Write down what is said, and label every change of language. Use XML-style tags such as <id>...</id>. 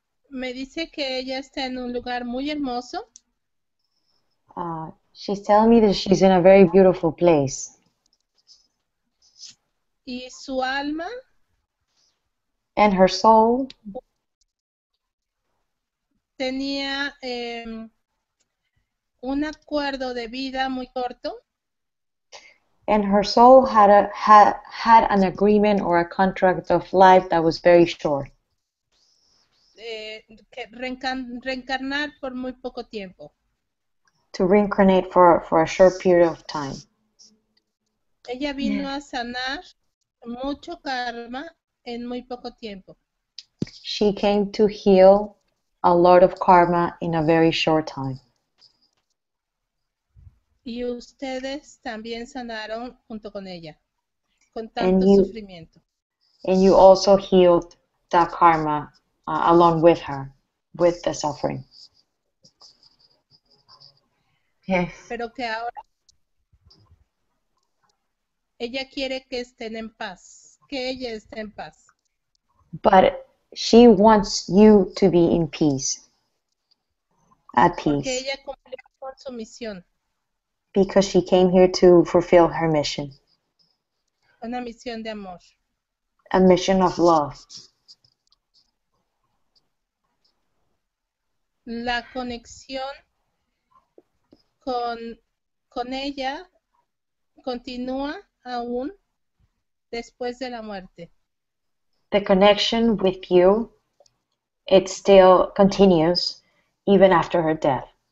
<es>Me dice que ella está en un lugar muy hermoso.</es> <en>She's telling me that she's in a very beautiful place.</en> <es>¿Y su alma?</es> <en>And her soul.</en> <es>Tenía un acuerdo de vida muy corto.</es> <en>And her soul had had an agreement or a contract of life that was very short.</en> <es>Reencarnar por muy poco tiempo.</es> <en>To reincarnate for a short period of time.</en> <es>Ella vino a sanar mucho karma en muy poco tiempo.</es> <en>She came to heal a lot of karma in a very short time.</en> <es>Y ustedes también sanaron junto con ella, con tanto sufrimiento.</es> <en>And you also healed that karma along with her, with the suffering. Yes.</en> <es>Pero que ahora ella quiere que estén en paz, que ella esté en paz.</es> <en>But she wants you to be in peace, at peace.</en> <es>Porque ella cumplió con su misión.</es> <en>Because she came here to fulfill her mission.</en> <es>Una misión de amor.</es> <en>A mission of love.</en> <es>La conexión con ella continúa aún después de la muerte.</es> <en>The connection with you, it still continues even after her death.</en>